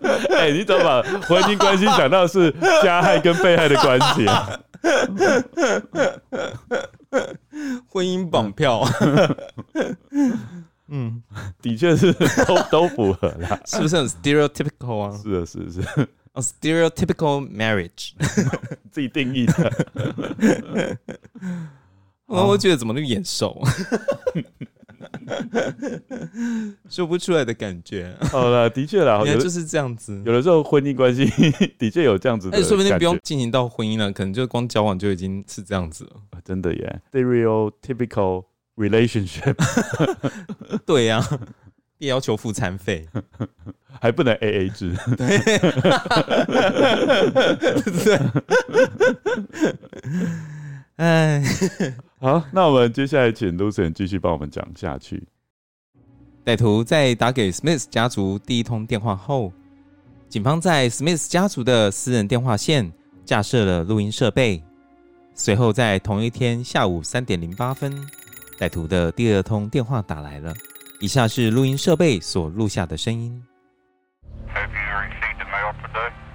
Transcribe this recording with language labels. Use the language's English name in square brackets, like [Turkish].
[Chinese] 哎、欸，你怎么把婚姻关系讲到是加害跟被害的关系啊？婚姻绑票嗯，的确是 都符合啦，是不是很 stereotypical 啊？是的，是的是、 [English] oh, stereotypical marriage [Chinese] 自己定义的然后我觉得怎么那么眼熟说不出来的感觉。好啦，的确啦，原来就是这样子。有的时候婚姻关系的确有这样子的感觉，说不定不用进行到婚姻了，可能就光交往就已经是这样子了。真的耶， [English] stereotypical relationship [Chinese] 对呀、啊，也要求付餐费，还不能 AA 制。对对好，那我们接下来请 Lucian 继续帮我们讲下去。歹徒在打给 Smith 家族第一通电话后，警方在 Smith 家族的私人电话线架设了录音设备。随后在同一天下午3:08，歹徒的第二通电话打来了。以下是录音设备所录下的声音。 [English] Have you received the mail today?